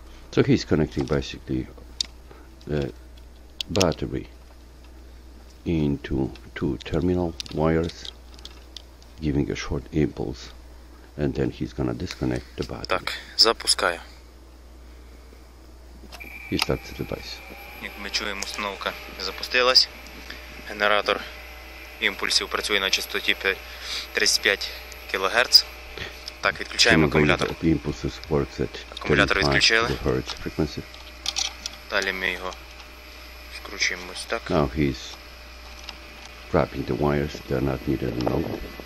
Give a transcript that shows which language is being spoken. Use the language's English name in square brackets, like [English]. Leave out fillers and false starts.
[English] So he's connecting basically the battery into two terminal wires, giving a short impulse, and then he's going to disconnect the battery. [Ukrainian] Так, запускаю. І старт девайс. Як ми чуємо, установка запустилась. Генератор імпульсів працює на частоті 35 кГц. Так, відключаємо акумулятор. [English] Імпульс works at 35 Hz frequency. [Ukrainian] Далі ми його скручуємо ось так. [English] Now he's wrapping the wires, they're not needed anymore.